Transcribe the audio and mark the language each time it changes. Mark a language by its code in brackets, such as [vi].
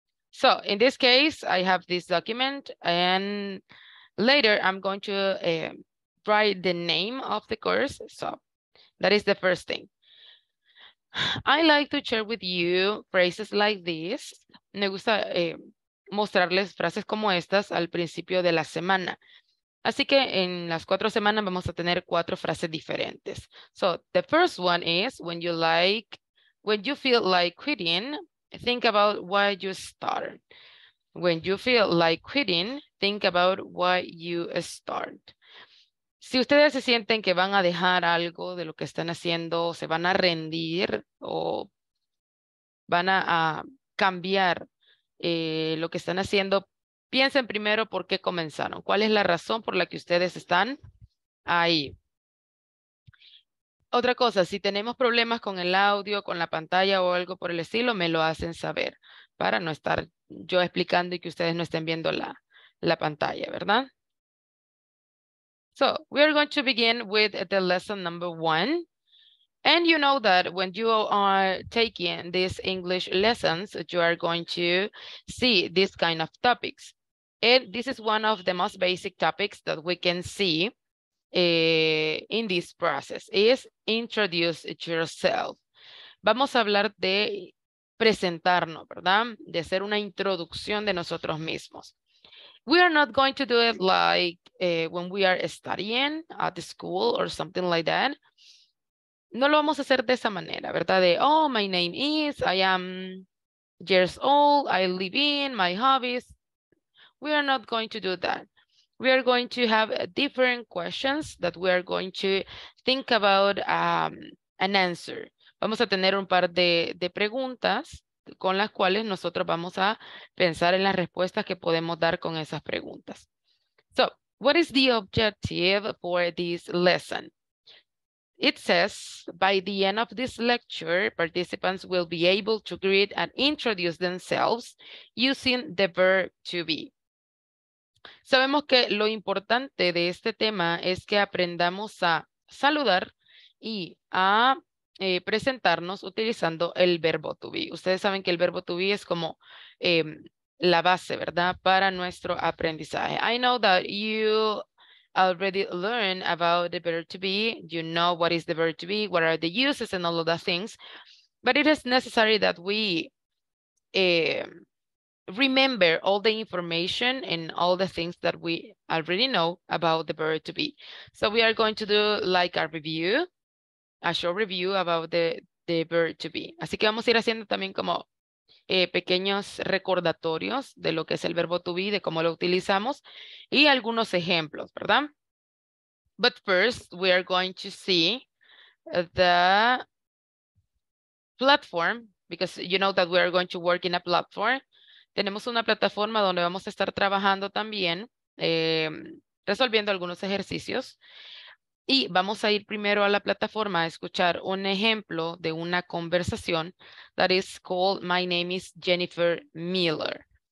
[en] So in this case, I have this document, and later I'm going to write the name of the course. So that is the first thing. I like to share with you phrases like this. [es] Me gusta mostrarles frases como estas al principio de la semana. Así que en las cuatro semanas vamos a tener cuatro frases diferentes. [en] So the first one is, when you feel like quitting, think about why you start. When you feel like quitting, think about why you start. [es] Si ustedes se sienten que van a dejar algo de lo que están haciendo, o se van a rendir o van a cambiar lo que están haciendo, piensen primero por qué comenzaron. ¿Cuál es la razón por la que ustedes están ahí? Otra cosa, si tenemos problemas con el audio, con la pantalla o algo por el estilo, me lo hacen saber para no estar yo explicando y que ustedes no estén viendo la pantalla, ¿verdad? [en] So, we are going to begin with the lesson number one. And you know that when you are taking these English lessons, you are going to see this kind of topics. And this is one of the most basic topics that we can see in this process, is introduce yourself. [es] Vamos a hablar de presentarnos, ¿verdad? De hacer una introducción de nosotros mismos. [en] We are not going to do it like when we are studying at the school or something like that. [es] No lo vamos a hacer de esa manera, ¿verdad? De, [en] oh, my name is, I am years old, I live in, my hobbies. We are not going to do that. We are going to have different questions that we are going to think about an answer. [es] Vamos a tener un par de preguntas con las cuales nosotros vamos a pensar en las respuestas que podemos dar con esas preguntas. [en] So, what is the objective for this lesson? It says, by the end of this lecture, participants will be able to greet and introduce themselves using the verb to be. [es] Sabemos que lo importante de este tema es que aprendamos a saludar y a presentarnos utilizando el verbo to be. Ustedes saben que el verbo to be es como la base, ¿verdad? Para nuestro aprendizaje. [en] I know that you already learned about the verb to be. You know what is the verb to be, what are the uses and all of the things. But it is necessary that we remember all the information and all the things that we already know about the verb to be. So we are going to do like a review, a short review about the verb to be. [es] Así que vamos a ir haciendo también como pequeños recordatorios de lo que es el verbo to be, de cómo lo utilizamos y algunos ejemplos, ¿verdad? [en] But first, we are going to see the platform, because you know that we are going to work in a platform. [es] Tenemos una plataforma donde vamos a estar trabajando también, resolviendo algunos ejercicios. Y vamos a ir primero a la plataforma a escuchar un ejemplo de una conversación [en] that is called [es] My Name is Jennifer Miller.